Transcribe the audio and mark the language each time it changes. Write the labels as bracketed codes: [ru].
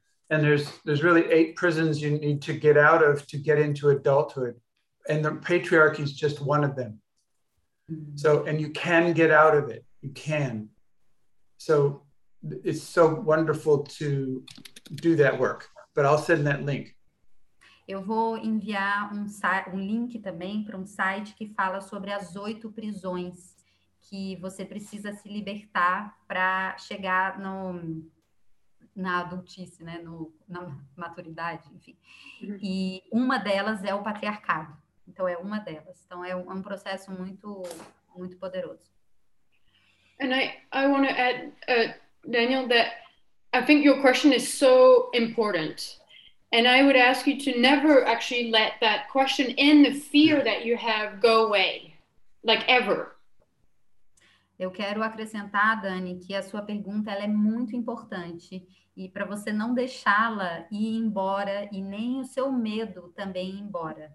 [en] And there's really 8 prisons you need to get out of to get into adulthood. And the patriarchy is just one of them. So, and you can get out of it, you can. So it's so wonderful to do that work, but I'll send that link. [pt] Eu vou enviar um link também para um site que fala sobre as 8 prisões que você precisa se libertar para chegar no, na adultice, né? No, na maturidade, enfim. E uma delas é o patriarcado. Então, é uma delas. Então, é um processo muito, muito poderoso. [en] And I want to add, Daniel, that I think your question is so important. And I would ask you to never actually let that question and the fear that you have go away, like ever. [pt] Eu quero acrescentar, Dani, que a sua pergunta ela é muito importante. E para você não deixá-la ir embora e nem o seu medo também ir embora.